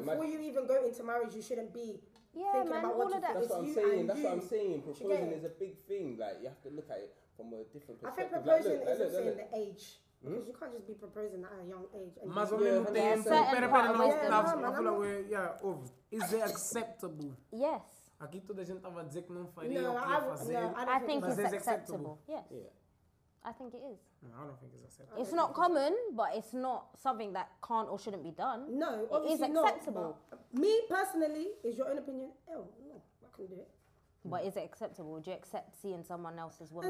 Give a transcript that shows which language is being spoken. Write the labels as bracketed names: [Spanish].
[English] before you even go into marriage, you shouldn't be thinking man, about all what of that. That's what I'm saying. Proposing is a big thing. Like you have to look at it from a different perspective. I think proposing isn't saying the age. Because you can't just be proposing at a young age. Is it acceptable? Yes. [Portuguese] Aqui toda a gente estava a dizer que não faria. [English] I think it's acceptable. Yeah. I think it is. No, I don't think it's acceptable. It's not common, but it's not something that can't or shouldn't be done. No, obviously it is acceptable. Not, me personally, is your own opinion? No, I can do it. But is it acceptable? Do you accept seeing someone else's woman?